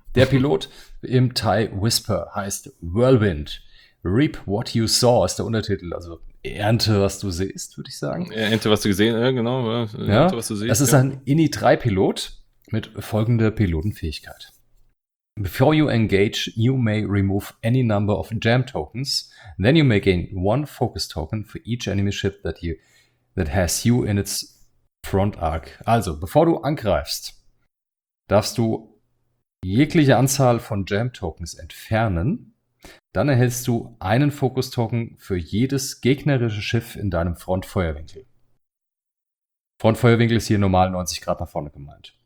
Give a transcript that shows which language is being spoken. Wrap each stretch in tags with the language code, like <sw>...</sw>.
<de>Der Pilot im Thai Whisper heißt Whirlwind.</de> <en>Reap what you saw</en> <de>ist der Untertitel, also ernte, was du siehst, würde ich sagen. Ernte, was du gesehen, genau. Ja, ernte, was du siehst. Das ist ein INI-3-Pilot mit folgender Pilotenfähigkeit.</de> <en>Before you engage, you may remove any number of jam tokens. Then you may gain one focus token for each enemy ship that has you in its front arc.</en> <de>Also, bevor du angreifst, darfst du jegliche Anzahl von jam tokens entfernen. Dann erhältst du einen Fokus-Token für jedes gegnerische Schiff in deinem Frontfeuerwinkel. Frontfeuerwinkel ist hier normal 90 Grad nach vorne gemeint.</de>